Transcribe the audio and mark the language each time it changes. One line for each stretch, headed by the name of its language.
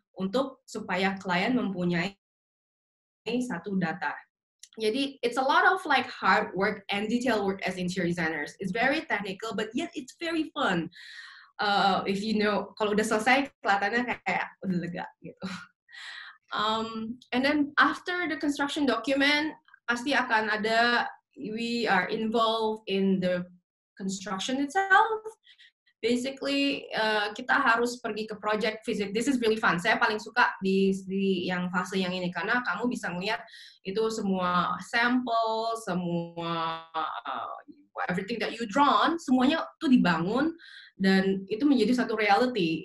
Indonesian: Untuk supaya klien mempunyai satu data.
English: Jadi, it's a lot of like hard work and detail work as interior designers. It's very technical, but yet it's very fun. If you know,
Indonesian: kalau udah selesai, kelihatannya kayak udah lega gitu.
English: And then after the construction document,
Indonesian: pasti akan ada,
English: we are involved in the construction itself. Basically,
Indonesian: kita harus pergi ke
English: project visit. This is really fun.
Indonesian: Saya paling suka di yang fase yang ini karena kamu bisa melihat itu semua sampel, semua
English: everything that you drawn,
Indonesian: semuanya itu dibangun dan itu menjadi satu reality.